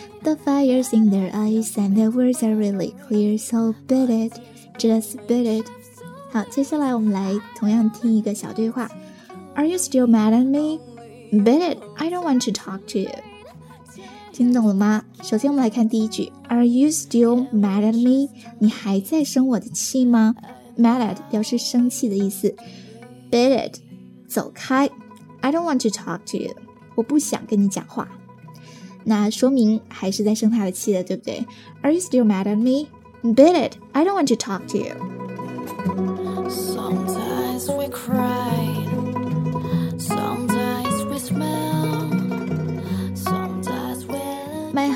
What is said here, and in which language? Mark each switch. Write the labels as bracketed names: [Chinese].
[English] The fire's in their eyes and their words are really clear, so beat it, just beat it。 [Chinese] 好，接下来我们来同样听一个小对话。 [English] Are you still mad at me? Beat it, I don't want to talk to you。 [Chinese] 听懂了吗？首先我们来看第一句， [English] Are you still mad at me? [Chinese] 你还在生我的气吗？Mad at 表示生气的意思， [English] Beat it [Chinese] 走开， [English] I don't want to talk to you， [Chinese] 我不想跟你讲话。那说明还是在生他的气的，对不对？ [English] Are you still mad at me? Beat it, I don't want to talk to you。 Sometimes we cry, sometimes we smile, sometimes we're...